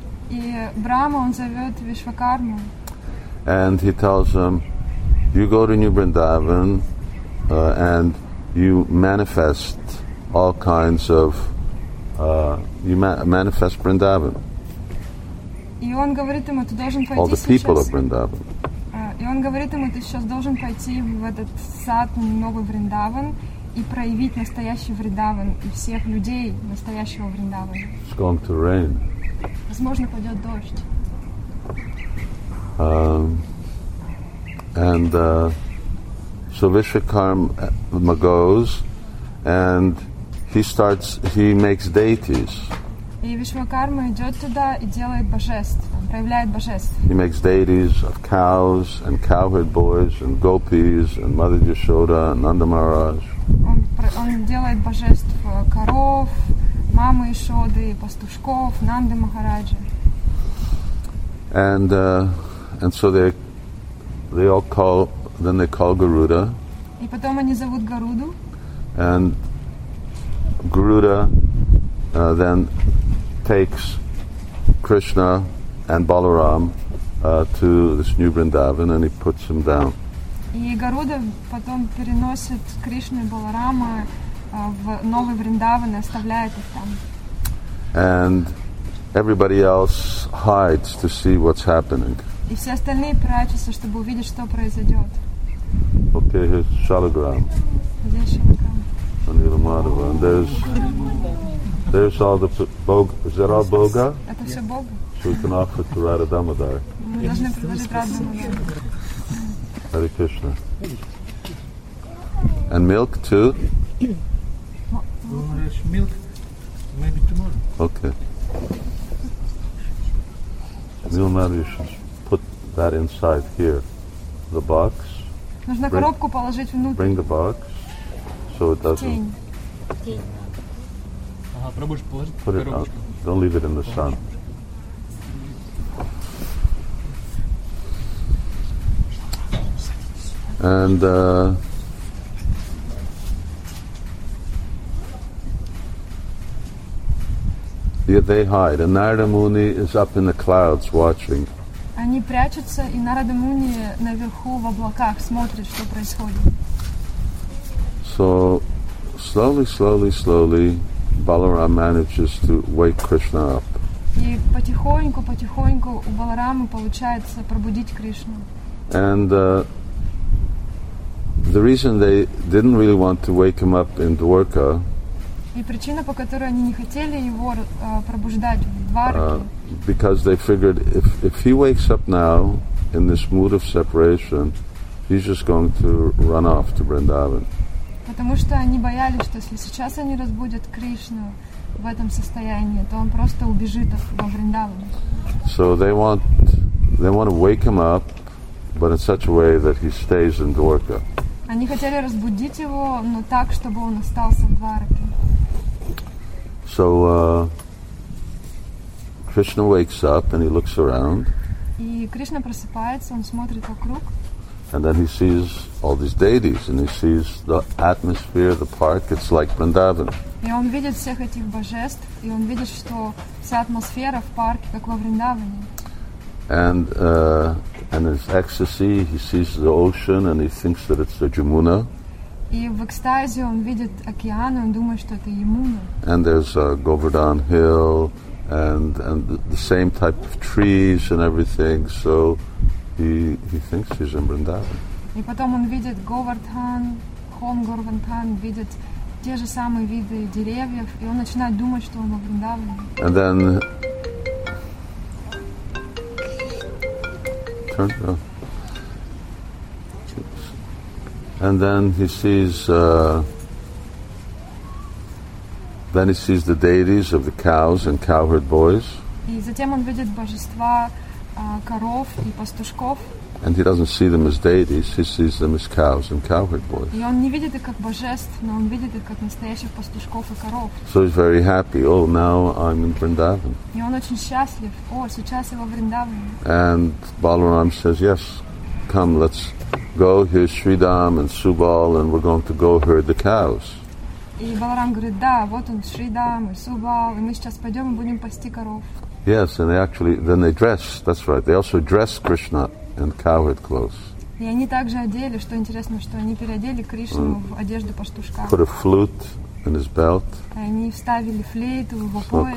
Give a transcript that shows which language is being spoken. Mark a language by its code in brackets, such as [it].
[ru] И Брама он зовёт Вишвакарму. [en] And he tells him, you go to New Vrindavan and you manifest all kinds of manifest Vrindavan. [ru] И он говорит ему, ты должен пойти [en] all the people [ru] сейчас [en] of Vrindavan. [ru] И он говорит ему, ты сейчас должен пойти в этот сад Новый Вриндаван и проявить настоящий Вриндаван и всех людей настоящего Вриндавана. [en] It's going to rain. [ru] Возможно, пойдет дождь. [en] So Vishwakarma goes and he makes deities. [ru] И Вишвакарма идет туда и делает божеств, проявляет божеств. [en] He makes deities of cows and cowherd boys and gopis and Mother Yashoda and Nanda Maharaj. [ru] Он делает божеств коров, мамы Ишоды, пастушков, Нанды Махараджи. [en] And so they all call, then they call Garuda. [ru] И потом они зовут Гаруду. [en] And Garuda then takes Krishna and Balaram to this new Vrindavan and he puts them down. [ru] И Гаруда потом переносит Кришну и Баларама в новый Вриндаван и оставляет их там. [en] And everybody else hides to see what's happening. [ru] И все остальные прячутся, чтобы увидеть, что произойдет. [en] Okay, here's Shalagram. Shalagram. And there's all the boga. Is that all boga? [ru] Это все бога. [en] So we can offer to Radha Damodar. [ru] Мы должны предложить Радха Дамодар. [en] Hare Krishna. And milk too? Milk, maybe tomorrow. Okay. Milk, maybe tomorrow. That inside here, the box. [ru] Нужно коробку положить внутрь. [en] Bring the box, so it doesn't. [ru] Тень. Ага, пробуешь положить в коробочку. [en] Put it out. Don't leave it in the sun. And they hide. And Narada Muni is up in the clouds watching. [ru] Они прячутся, и Нарада Муни наверху в облаках смотрит, что происходит. [en] So, slowly, slowly, slowly, Balaram manages to wake Krishna up. [ru] И потихоньку, потихоньку у Баларамы получается пробудить Кришну. [en] And the reason they didn't really want to wake him up in Dwarka. [ru] И причина, по которой они не хотели его пробуждать в Двараке. [en] Because they figured if he wakes up now in this mood of separation, he's just going to run off to Vrindavan. [ru] Потому что они боялись, что если сейчас они разбудят Кришну в этом состоянии, то он просто убежит во Вриндаван. [en] So they want to wake him up, but in such a way that he stays in Dwarka. [ru] Они хотели разбудить его, но так, чтобы он остался в Двараке. [en] So Krishna wakes up and he looks around. [ru] И Кришна просыпается, он смотрит вокруг. [en] And then he sees all these deities, and he sees the atmosphere, the park, it's like Vrindavan. [ru] И он видит всех этих божеств, и он видит, что вся атмосфера в парке, как во Вриндаване. [en] And his ecstasy, he sees the ocean, and he thinks that it's the Jamuna. [ru] И в экстазе он видит океан, и он думает, что это Ямуна. [en] And there's a Govardhan hill, and the same type of trees and everything, so he thinks he's in Vrindavan. [ru] И потом он видит Говардхан, холм Говардхан, видит те же самые виды деревьев, и он начинает думать, что он во Вриндаване. [en] And then... Turn it off. And then he sees the deities of the cows and cowherd boys. [ru] И затем он видит божества коров и пастушков. [en] And he doesn't see them as deities; he sees them as cows and cowherd boys. [ru] И он не видит их как божеств, но он видит их как настоящих пастушков и коров. [en] So he's very happy. Oh, now I'm in Vrindavan. [ru] И он очень счастлив. О, сейчас я во Вриндаване. [en] And Balaram says, "Yes, come, let's." Go, here's Shridam and Subal, and we're going to go herd the cows. [ru] И Баларам говорит, да, вот он, Шридам и Субал, и мы сейчас пойдем и будем пасти коров. [en] Yes, and they dress, that's right, they also dress Krishna in cowherd clothes. [ru] И они также одели, что интересно, что они переодели Кришну в одежду пастушка. [en] Put a flute in his belt. [ru] Они вставили флейту в его пояс.